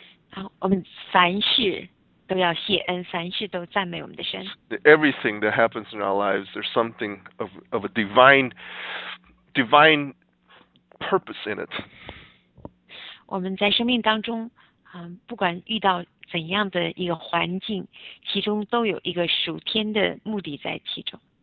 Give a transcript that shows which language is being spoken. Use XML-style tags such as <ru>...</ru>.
<zh>好，我们凡事都要谢恩，凡事都赞美我们的神。</zh> <en>Everything that happens in our lives, there's something of a divine purpose in it.</en> <zh>我们在生命当中，不管遇到怎样的一个环境，其中都有一个属天的目的在其中。</zh>